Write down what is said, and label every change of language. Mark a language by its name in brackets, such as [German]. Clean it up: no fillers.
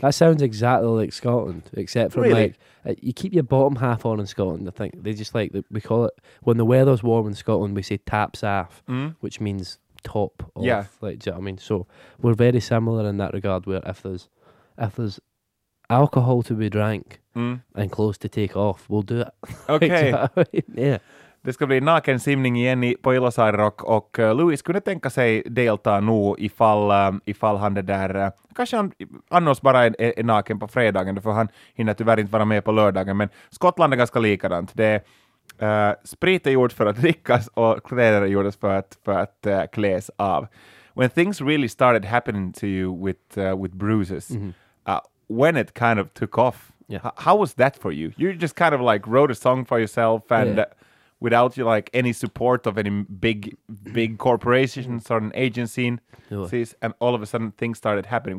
[English] That sounds exactly like Scotland, except for like you keep your bottom half on in Scotland. I think they just like, we call it, when the weather's warm in Scotland, we say taps half, which means top off. Like, do you know what I mean? So we're very similar in that regard, where if there's alcohol to be drank and clothes to take off, we'll do it. Okay. Yeah. [Swedish] Det ska bli naken simning igen på Ilosaari Rock, och Louis kunde tänka sig delta nu ifall han är där. Kanske han annars bara är naken på fredagen, för han hinner tyvärr inte vara med på lördagen. Men Skottland är ganska likadant. Det sprit är gjort för att drickas och kläder är gjort för att kläs av. [English] When things really started happening to you with bruises, when it kind of took off, how was that for you? You just kind of like wrote a song for yourself and without you like any support of any big corporations or an agency, and all of a sudden things started happening.